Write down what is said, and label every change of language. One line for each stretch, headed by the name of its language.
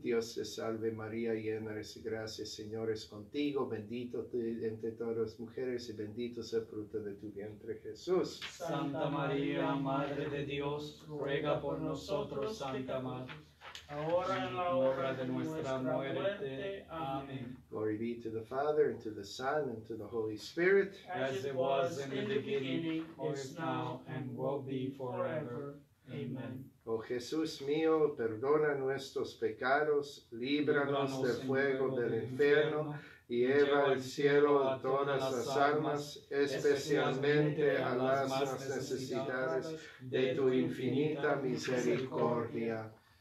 Spanish: Dios te salve María, llena eres de gracia, Señor es contigo, bendito tú entre todas las mujeres y bendito es el fruto de tu vientre, Jesús. Santa María, Madre de Dios, ruega por nosotros, Santa Madre, ahora y en la hora de nuestra muerte. Amén.
English: Glory be to the Father, and to the Son, and to the Holy Spirit. As it was in the beginning, is now, and will be forever. Amén.
Spanish: Oh Jesús mío, perdona nuestros pecados, líbranos del fuego del infierno y lleva al cielo a todas las almas, especialmente a las más necesitadas de tu infinita misericordia.